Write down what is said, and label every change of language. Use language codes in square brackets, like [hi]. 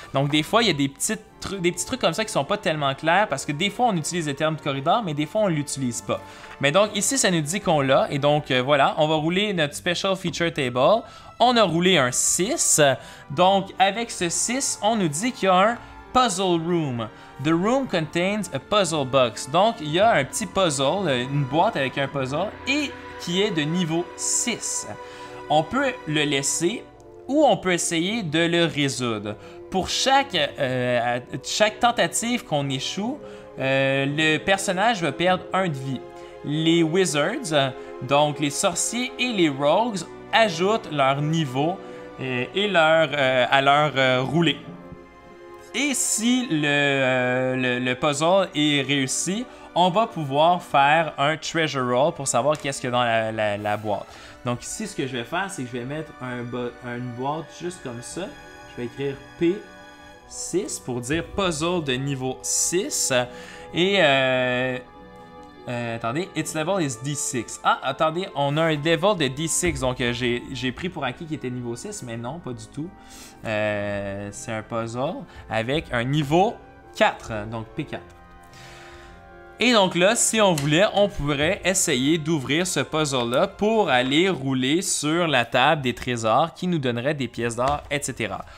[fr] Donc, des fois, il y a des petits trucs comme ça qui sont pas tellement clairs. Parce que des fois, on utilise le terme de corridor, mais des fois, on l'utilise pas. Mais donc, ici, ça nous dit qu'on l'a. Et donc, voilà, on va rouler notre [en] special feature table. [fr] On a roulé un 6. Donc, avec ce 6, on nous dit qu'il y a un puzzle room. [en] The room contains a puzzle box. [fr] Donc, il y a un petit puzzle, une boîte avec un puzzle, et qui est de niveau 6. On peut le laisser ou on peut essayer de le résoudre. Pour chaque tentative qu'on échoue, le personnage va perdre un de vie. Les wizards, donc les sorciers et les rogues, ajoutent leur niveau à leur roulée. Et si le puzzle est réussi, on va pouvoir faire un treasure roll pour savoir qu'est-ce qu'il y a dans la boîte. Donc ici, ce que je vais faire, c'est que je vais mettre une boîte juste comme ça. Je vais écrire P6 pour dire puzzle de niveau 6. Et attendez, [en] its level is D6. [fr] Ah, attendez, on a un level de D6. Donc j'ai pris pour acquis qu'il était niveau 6, mais non, pas du tout. C'est un puzzle avec un niveau 4, donc P4. Et donc là, si on voulait, on pourrait essayer d'ouvrir ce puzzle-là pour aller rouler sur la table des trésors qui nous donnerait des pièces d'or, etc.